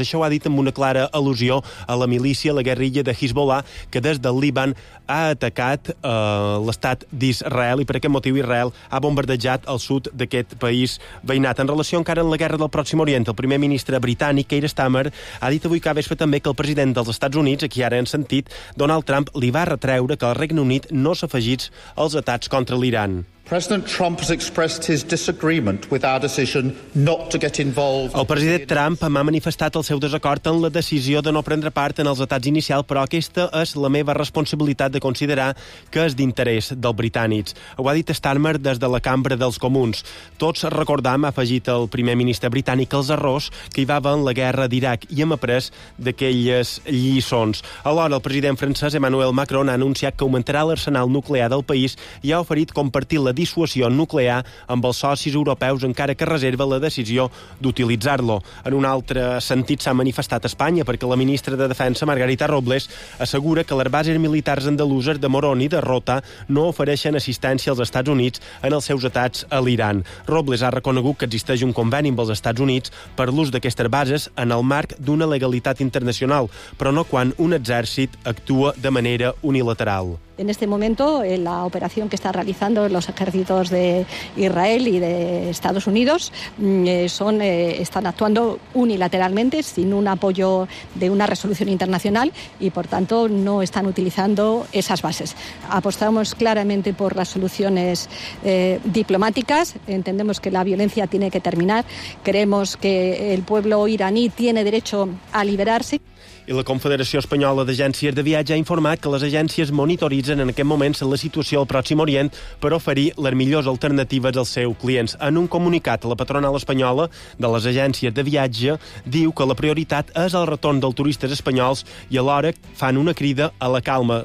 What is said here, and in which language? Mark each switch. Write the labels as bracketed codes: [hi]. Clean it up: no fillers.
[ca] Això ho ha dit amb una clara al·lusió a la milícia, la guerrilla de Hezbollah, que des del Líban ha atacat l'estat d'Israel, i per aquest motiu Israel ha bombardejat el sud d'aquest país veïnat. En relació encara amb la guerra del Pròxim Orient, el primer ministre britànic, Keir Starmer, ha dit avui que ha vespre també que el president dels Estats Units, a qui ara hem sentit, Donald Trump, li va retreure que el Regne Unit no s'afegís als atacs contra l'Iran. [en] President Trump has expressed his disagreement with our decision not to get involved. [ca] El president Trump m'ha manifestat el seu desacord en la decisió de no prendre part en els atacs inicials, però aquesta és la meva responsabilitat de considerar que és d'interès dels britànics. Ho ha dit Starmer des de la Cambra dels Comuns. Tots recordam, ha afegit el primer ministre britànic, els errors que hi va haver en la guerra d'Iraq, i hem après d'aquelles lliçons. Alhora, el president francès Emmanuel Macron ha anunciat que augmentarà l'arsenal nuclear del país i ha oferit compartir la dissuasió nuclear amb els socis europeus, encara que reserva la decisió d'utilitzar-lo. En un altre sentit, s'ha manifestat Espanya, perquè la ministra de Defensa, Margarita Robles, assegura que les bases militars andaluses de Morón i de Rota no ofereixen assistència als Estats Units en els seus atacs a l'Iran. Robles ha reconegut que existeix un conveni amb els Estats Units per l'ús d'aquestes bases en el marc d'una legalitat internacional, però no quan un exèrcit actua de manera unilateral. [es] En este momento, la operación que está realizando los ejércitos de Israel y de Estados Unidos están actuando unilateralmente, sin un apoyo de una resolución internacional, y por tanto no están utilizando esas bases. Apostamos claramente por las soluciones diplomáticas, entendemos que la violencia tiene que terminar, creemos que el pueblo iraní tiene derecho a liberarse. [ca] I la Confederació Espanyola d'Agències de Viatge ha informat que les agències monitoritzen en aquest moment la situació al Pròxim Orient per oferir les millors alternatives als seus clients. En un comunicat, la patronal espanyola de les agències de viatge diu que la prioritat és el retorn dels turistes espanyols i alhora fan una crida a la calma.